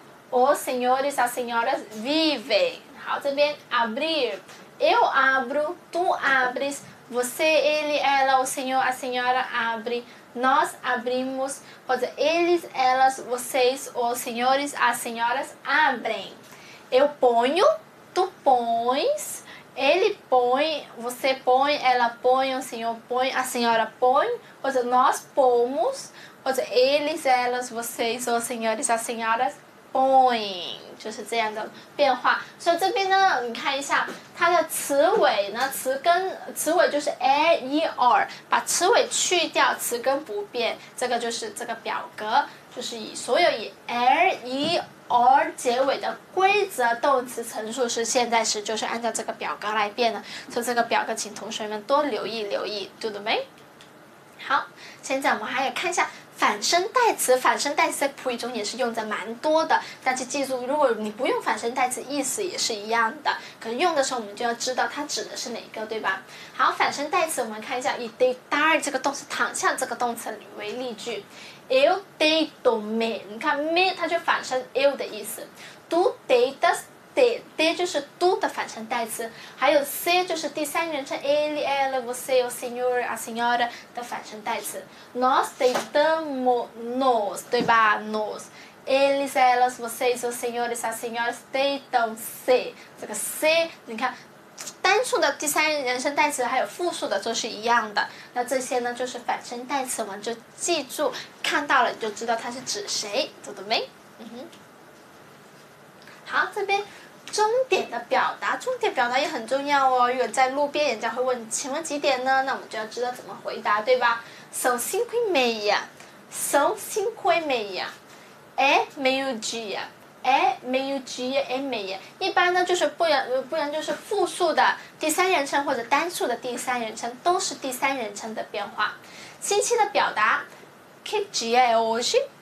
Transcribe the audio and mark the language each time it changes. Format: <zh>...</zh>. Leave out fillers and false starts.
<pt>os senhores, as senhoras vivem</pt> <zh>好这边</zh> <pt>abrir eu abro, tu abres você, ele, ela, o senhor, a senhora abre nós abrimos pode, eles, elas, vocês os senhores, as senhoras abrem eu ponho, tu pões Ele põe, você põe, ela põe, o senhor põe, a senhora põe, ou seja, nós pomos, ou seja, eles, elas, vocês, os senhores, as senhoras põem.</pt> <zh>就是这样的变化，所以这边呢，你看一下它的词尾呢，词根词尾就是 a e r， 把词尾去掉，词根不变，这个就是这个表格，就是以所有以 a e r 结尾的规则动词陈述是现在时，就是按照这个表格来变的。所以这个表格，请同学们多留意留意，读的没？好，现在我们还要看一下。反身代词，反身代词在普语中也是用的蛮多的，但是记住，如果你不用反身代词，意思也是一样的，可是用的时候我们就要知道它指的是哪个，对吧？好，反身代词我们看一下，以 deitar 这个动词，躺下这个动词为例句。</zh> <pt>Eu deito me，</pt> <zh>你看 me 它就反身 eu 的意思。 Tu deitas de 就是 do 的反身代词，还有 se 就是第三人称 ele, ela, você, o senhor, a senhora 的反身代词。</zh> <pt>Nós deitamos nos,</pt> <zh>对吧</zh> <pt>？Nos, eles, elas, vocês, os senhores, as senhoras deitam se。</pt> <zh>这个 se 你看，单数的第三人称代词还有复数的都是一样的。那这些呢，就是反身代词，我们就记住，看到了你就知道它是指谁，读得没？嗯哼。好，这边终点的表达，终点表达也很重要哦。如果在路边，人家会问请问几点呢？那我们就要知道怎么回答，对吧？</zh> <pt>São cinco e meia, são cinco e meia, é meio dia, é meio dia e meia。</pt> <zh>一般呢，就是不然就是复数的第三人称或者单数的第三人称，都是第三人称的变化。星期的表达</zh> <pt>，que dia é hoje?</pt>